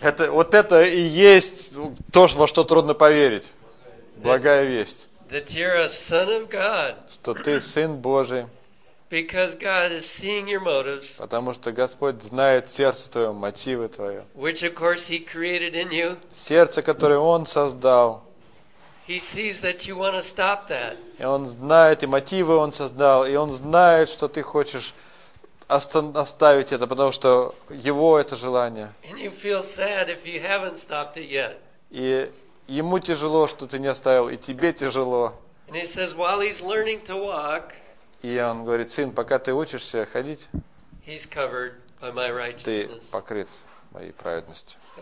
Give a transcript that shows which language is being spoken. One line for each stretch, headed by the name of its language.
Russian: Это вот это и есть то, во что трудно поверить. Благая весть.
English: That you're a son of God.
Russian: Что ты сын Божий.
English: Because God is seeing your motives.
Russian: Потому что Господь знает сердце твое, мотивы твои.
English: Which of course He created in you.
Russian: Сердце, которое Он создал.
English: He sees that you want to stop that.
Russian: И Он знает, и мотивы Он создал, и Он знает, что ты хочешь оставить это, потому что Его это желание.
English: And you feel sad if you haven't stopped it yet.
Russian: И Ему тяжело, что ты не оставил, и тебе тяжело.
English: And He says, while He's learning to walk,
Russian: и Он говорит, сын, пока ты учишься ходить,
English: He's covered by my righteousness.
Russian: Ты покрыт моей праведностью.